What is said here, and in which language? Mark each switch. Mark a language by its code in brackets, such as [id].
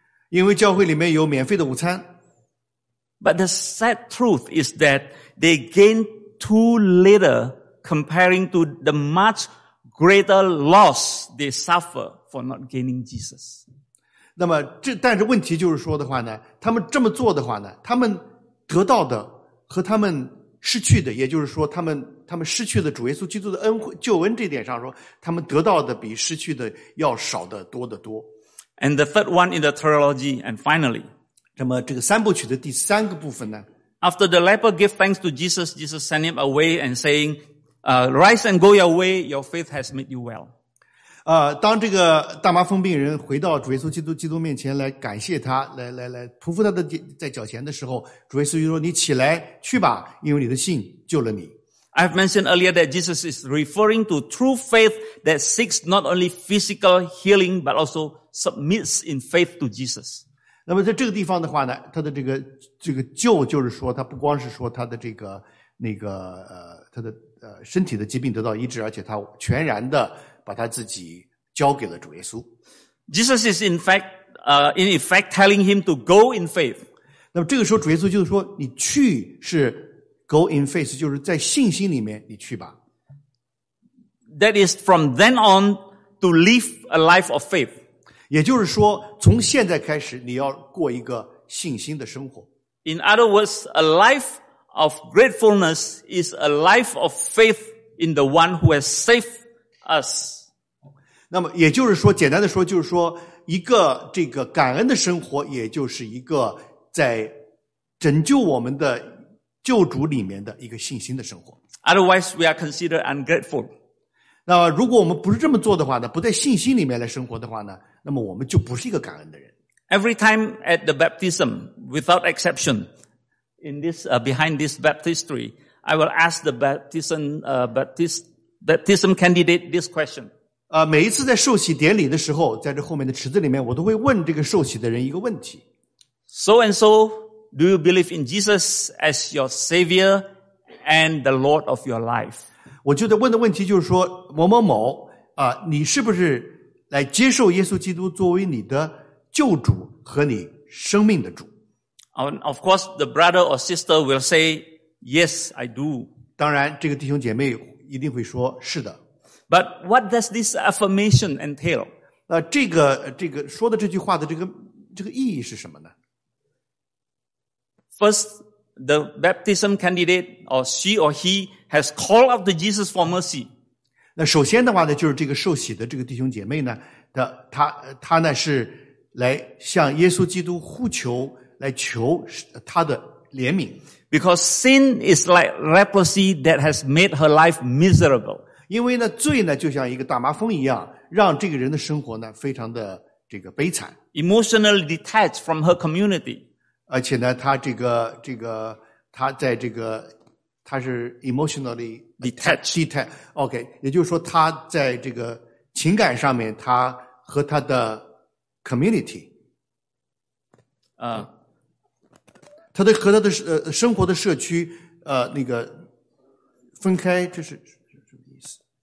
[zh] 因为教会里面有免费的午餐。 [en] But the sad truth is that they gain too little comparing to the much greater loss they suffer for not gaining Jesus. [zh] 那么但是问题就是说的话呢，他们这么做的话呢，他们得到的和他们失去的，也就是说他们失去的主耶稣基督的恩惠救恩，这点上说他们得到的比失去的要少得多得多。 [en] And the third one in the trilogy, and finally, [zh] 那么这个三部曲的第三个部分呢 [en] After the leper gave thanks to Jesus, Jesus sent him away and saying, rise and go your way, your faith has made you well. [zh] 当这个大麻风病人回到主耶稣基督面前来感谢他，来匍匐他的在脚前的时候，主耶稣就说你起来去吧，因为你的信救了你。 [en] I've mentioned earlier that Jesus is referring to true faith that seeks not only physical healing, but also submits in faith to Jesus. [zh] 那么在这个地方的话呢，他的这个救就是说，他不光是说他的这个那个他的身体的疾病得到医治，而且他全然的把他自己交给了主耶稣。 [en] Jesus is in effect telling him to go in faith. [zh] 那么这个时候主耶稣就是说，你去是 [en] go in faith， [zh] 就是在信心里面你去吧。 [en] That is from then on to live a life of faith. [zh] 也就是说，从现在开始，你要过一个信心的生活。 [en] In other words, a life of gratefulness is a life of faith in the one who has saved us. [zh] 那么也就是说，简单的说，就是说，一个这个感恩的生活，也就是一个在拯救我们的救主里面的一个信心的生活。 [en] Otherwise, we are considered ungrateful. [zh] 那如果我们不是这么做的话呢，不在信心里面来生活的话呢，那么我们就不是一个感恩的人。 [en] Every time at the baptism, without exception, in this, behind this baptistry, I will ask the baptism candidate this question. [zh] 每一次在受洗典礼的时候，在这后面的池子里面，我都会问这个受洗的人一个问题。 [en] So and so, do you believe in Jesus as your Savior and the Lord of your life? [zh] 我就在问的问题就是说，某某某，你是不是来接受耶稣基督作为你的救主和你生命的主？ [en] Of course, the brother or sister will say, yes, I do. [zh] 当然，这个弟兄姐妹一定会说，是的。 [en] But what does this affirmation entail? [zh] 这个说的这句话的这个意义是什么呢？ [en] First, the baptism candidate, or she or he, has called out to Jesus for mercy. [zh] 那首先的话呢，就是这个受洗的这个弟兄姐妹呢，他呢是来向耶稣基督呼求，来求他的怜悯。 [en] Because sin is like leprosy that has made her life miserable. [zh] 因为呢，罪呢就像一个大麻风一样，让这个人的生活呢非常的这个悲惨。 [en] Emotionally detached from her community. [zh] 而且呢，他是 [en] emotionally detached. [zh] OK, 也就是说，他在这个情感上面，他和他的community, 他的和他的生活的社区那个分开，这是什么意思？